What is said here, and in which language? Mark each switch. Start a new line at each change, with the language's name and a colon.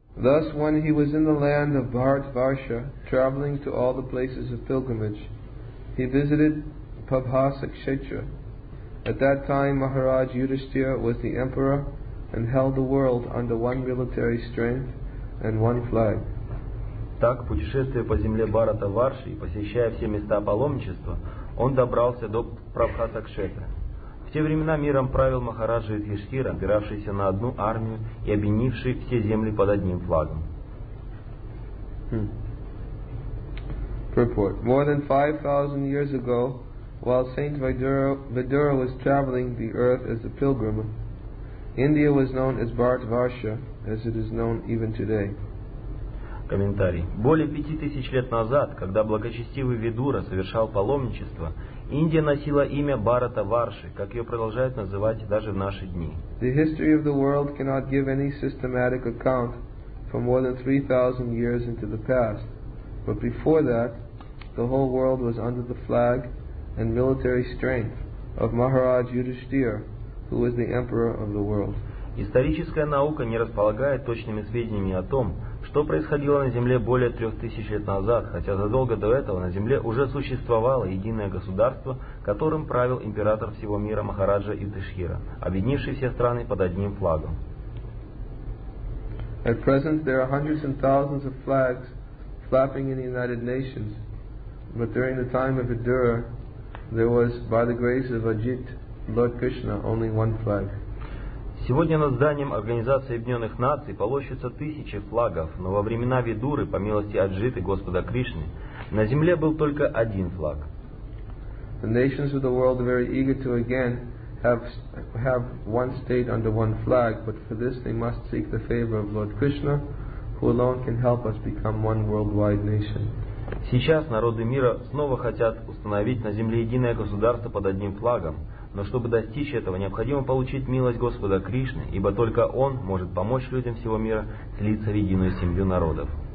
English: Thus, when he was in the land of Bharatvarsha, traveling to all the places of pilgrimage, he visited Pabhasa Kshetra. At that time, Maharaj Yudhisthira was the emperor and held the world under one military strength and one flag.
Russian: Так, путешествуя по земле Бхарата-Варши и посещая все места паломничества, он добрался до Прабхата-Кшетры. В те времена миром правил Махараджа Юдхиштхира, опиравшийся на одну армию и объединивший все земли под одним флагом.
English: Purport. More than 5,000 years ago, while Saint Vidura was traveling the earth as a pilgrim, India was known as Bharata-Varsha, as it is known even today.
Russian: Комментарий. Более 5000 лет назад, когда благочестивый Видура совершал паломничество, Индия носила имя Бхарата-Варши, как ее продолжают называть даже в наши дни.
English: The history of the world cannot give any systematic account for more than 3,000 years into the past. But before that, the whole world was under the flag and military strength of Maharaj Yudhisthira, who was the emperor of the world.
Russian: Историческая наука не располагает точными сведениями о том, что происходило на Земле более 3000 лет назад, хотя задолго до этого на Земле уже существовало единое государство, которым правил император всего мира Махараджа Юдхиштхира, объединивший все страны под одним флагом.
English: At present there are hundreds and thousands of flags flapping in the United Nations, but during the time of Vidura there was, by the grace of Ajit, Lord Krishna, only one flag.
Russian: Сегодня над зданием Организации Объединенных Наций полощутся тысячи флагов, но во времена Видуры, по милости Аджиты Господа Кришны, на земле был только один флаг.
English: The nations of the world are very eager to again have one state under one flag, but for this they must seek the favor of Lord Krishna, who alone can help us become one worldwide nation.
Russian: Сейчас народы мира снова хотят установить на земле единое государство под одним флагом. Но чтобы достичь этого, необходимо получить милость Господа Кришны, ибо только Он может помочь людям всего мира слиться в единую семью народов.